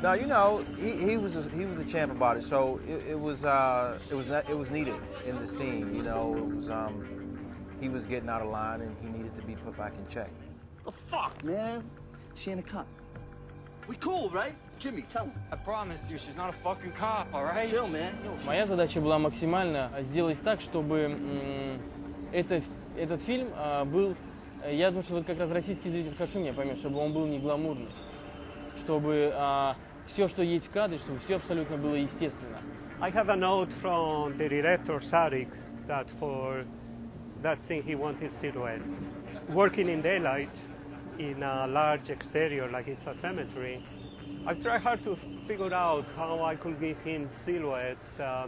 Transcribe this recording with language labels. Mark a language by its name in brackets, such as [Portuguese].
[English] Now, you know, he was a champ about it, so it was needed in the scene, you know. It was, he was getting out of line and he needed to be put back in check. The fuck, man? She ain't a cop. We cool, right? Jimmy, tell him. I promise you, she's not a fucking cop, all right? Chill, man. [Russian] Моя задача была максимально сделать так, чтобы этот фильм был... Я думаю, что как раз российский зритель хорошо меня поймет, чтобы он был не гламурный. Чтобы все, что есть в кадре, чтобы все абсолютно было естественно. [English] I have a note from the director, Sarek, that for that's thing he wanted silhouettes. Working in daylight in a large exterior like it's a cemetery, I've tried hard to figure out how I could give him silhouettes.